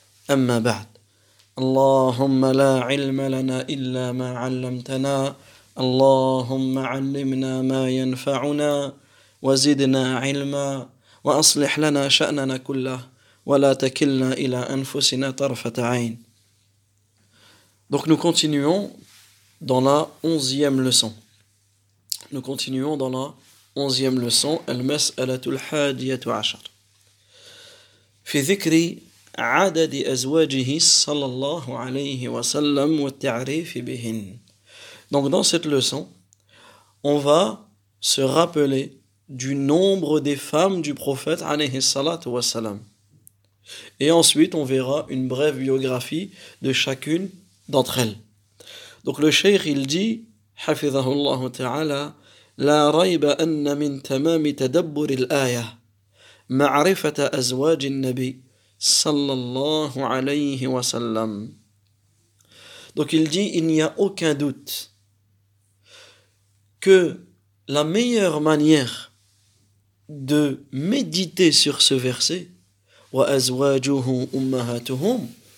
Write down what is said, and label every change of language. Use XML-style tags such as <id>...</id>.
<ar>أما بعد اللهم لا علم لنا إلا ما علمتنا اللهم علمنا ما ينفعنا وزدنا علما وأصلح لنا شأننا كله ولا تكلنا إلى أنفسنا طرفة عين.</ar> <fr>Donc nous continuons dans la 11e leçon. Nous continuons dans la 11e leçon,</fr> <ar>المسألة الحادية عشر. في ذكر عدد أزواجه صلى الله عليه وسلم والتعريف بهن.</ar> <fr>Donc dans cette leçon, on va se rappeler du nombre des femmes du prophète alayhi salatu wa salam. Et ensuite, on verra une brève biographie de chacune d'entre elles. Donc le cheikh, il dit,</fr> <ar>حفظه الله تعالى, لا ريب أن من تمام تدبر الآية معرفة أزواج النبي صلى الله عليه وسلم.</ar> <fr>Donc il dit, il n'y a aucun doute que la meilleure manière de méditer sur ce verset,</fr> <ar>wa azwajuhum ummahatuhum,</ar>